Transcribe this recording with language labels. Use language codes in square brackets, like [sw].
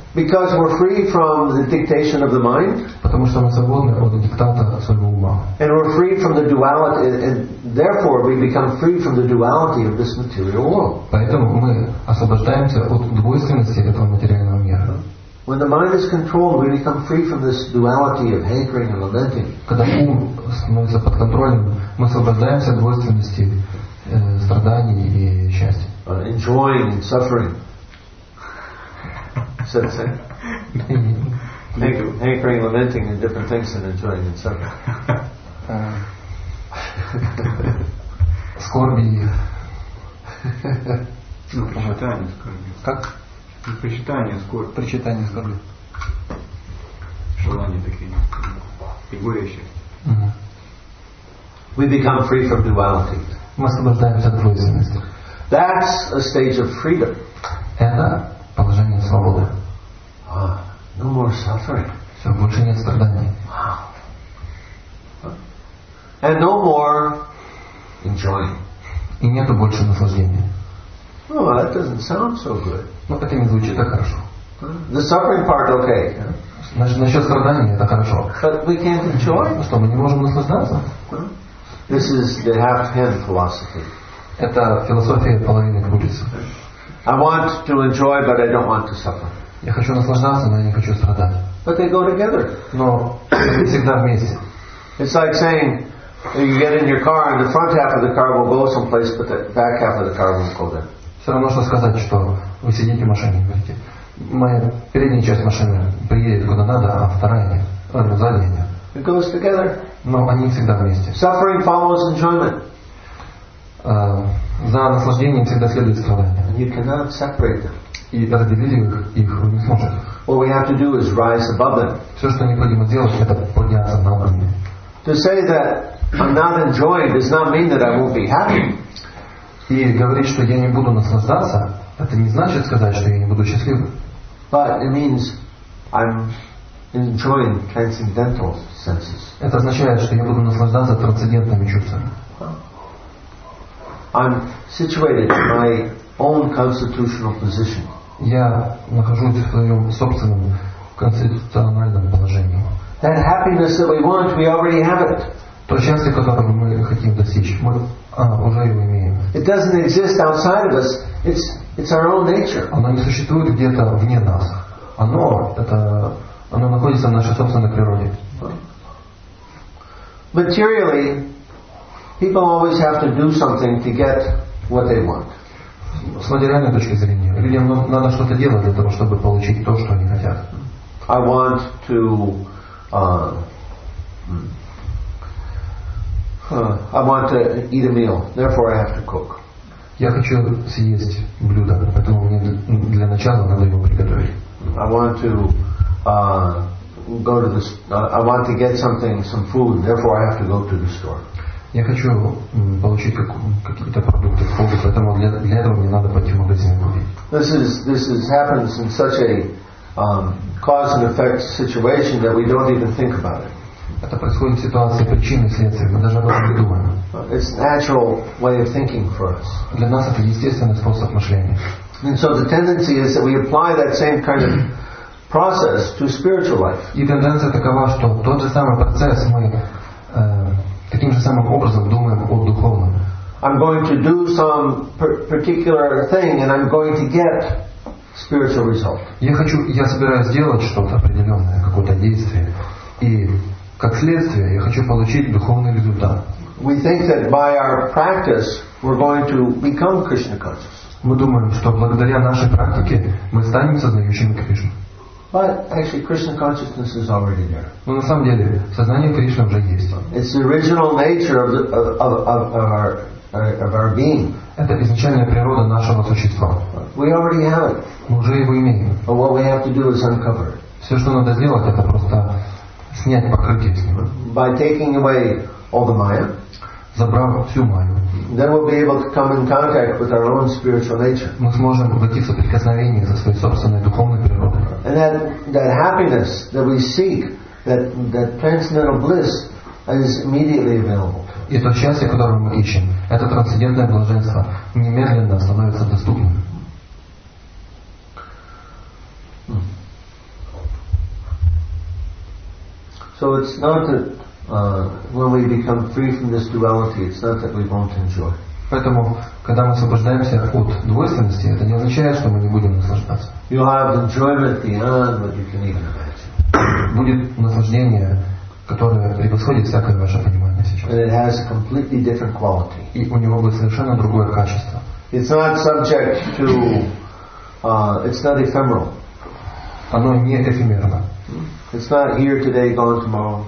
[en] Because we're free from the dictation of the mind, and we're free from the duality, and therefore we become free from the duality of this material world. When the mind is controlled, we become free from this duality of hankering and lamenting. [ru] Когда ум становится под контролем, мы освобождаемся от двойственности страданий и счастья. [en] Enjoying and suffering. Sensei. Hankering, lamenting, and different things than enjoying and suffering. [ru] Скорби. Ну, помотание скорби. Как? Причитание скорби. Причитание скорби. Желания такие. И горе счастья. [en] We become free from duality. [ru] Мы освобождаемся от двойственности. [en] That's a stage of freedom. [ru] Это положение свободы. [en] No more suffering. [ru] Все, больше нет страданий. [en] And no more enjoying. [ru] И нету больше наслаждения. [en] Oh, that doesn't sound so good. [ru] Ну, это не звучит так хорошо. [en] The suffering part, okay. [ru] Насчет страданий это хорошо. [en] But we can't enjoy. [ru] Ну, что, мы не можем наслаждаться? [en] This is the half-hand philosophy. [ru] Это философия половины курицы. [en] I want to enjoy, but I don't want to suffer. [ru] Я хочу наслаждаться, но я не хочу страдать. [en] But they go together. [ru] Но они всегда вместе. [en] It's like saying you get in your car and the front half of the car will go someplace, but the back half of the car won't go there. [ru] Все равно можно сказать, что вы сидите в машине, говорите, моя передняя часть машины приедет куда надо, а вторая нет, а задняя нет. [en] It goes together. [ru] Но они всегда вместе. [en] Suffering follows enjoyment. [ru] За наслаждением всегда следует страдание. [en] And you cannot separate them. [ru] И разделить их вы не сможете. [en] What we have to do is rise above them. [ru] Все, что необходимо делать, это подняться на уровень. [en] To say that I'm not enjoying does not mean that I won't be happy. [ru] И говорить, что я не буду наслаждаться, это не значит сказать, что я не буду счастлив. [en] But it means I'm enjoying transcendental senses. [ru] Это означает, что я буду наслаждаться трансцендентными чувствами. [en] I'm situated in my own constitutional position. [ru] Я нахожусь в своем собственном конституциональном положении. [en] That happiness that we want, we already have it. [ru] То счастье, которое мы хотим достичь, мы уже его имеем. [en] It doesn't exist outside of us. It's our own nature. [ru] Оно не существует где-то вне нас. Оно находится в нашей собственной природе. [en] Materially, people always have to do something to get what they want. [ru] С материальной точки зрения, людям надо что-то делать для того, чтобы получить то, что они хотят. [en] I want to I want to eat a meal, therefore I have to cook. [ru] Я хочу съесть блюдо, поэтому мне для начала надо его приготовить. [en] I want to get something, some food, therefore I have to go to the store. [ru] Я хочу получить какие-то продукты, поэтому для этого мне надо пойти в магазин купить. [en] This happens in such a cause and effect situation that we don't even think about it. [ru] Это происходит в ситуации причины и следствия. Мы даже об этом не думаем. [en] It's a natural way of thinking for us. [ru] Для нас это естественный способ мышления. [en] And so the tendency is that we apply that same kind of process to spiritual life. [ru] И тенденция такова, что тот же самый процесс мы таким же самым образом думаем о духовном. [en] I'm going to do some particular thing and I'm going to get spiritual result. [ru] Я собираюсь делать что-то определенное, какое-то действие, И как следствие, я хочу получить духовный результат. [en] We think that by our practice we're going to become Krishna conscious. [ru] Мы думаем, что благодаря нашей практике мы станем сознающими Кришну. [en] But actually, Krishna consciousness is already there. [ru] Но на самом деле сознание Кришны уже есть. [en] It's the original nature of our being. [ru] Это изначальная природа нашего существа. [en] We already have it. [ru] Мы уже его имеем. [en] But what we have to do is uncover it. [ru] Все, что надо сделать, это просто снять покрытие с него. [en] By taking away all the Maya. [ru] Забрав всю майю. [en] Then we'll be able to come in contact with our own spiritual nature. [ru] Мы сможем войти в соприкосновение со своей собственной духовной природой. [en] And that happiness that we seek, that transcendental bliss, is immediately available. [ru] И то счастье, которое мы ищем, это трансцендентное блаженство, немедленно становится доступным. [en] So it's not that when we become free from this duality, it's not that we won't enjoy. [ru] Поэтому, когда мы освобождаемся от двойственности, это не означает, что мы не будем наслаждаться. [en] You'll have enjoyment beyond what you can even imagine. [ru] Будет наслаждение, которое превосходит всякое ваше понимание сейчас. [en] And it has a completely different quality. [ru] И у него будет совершенно другое качество. [en] It's not subject to, it's not ephemeral. [ru] Оно не эфемерно. [en] It's not here today, gone tomorrow.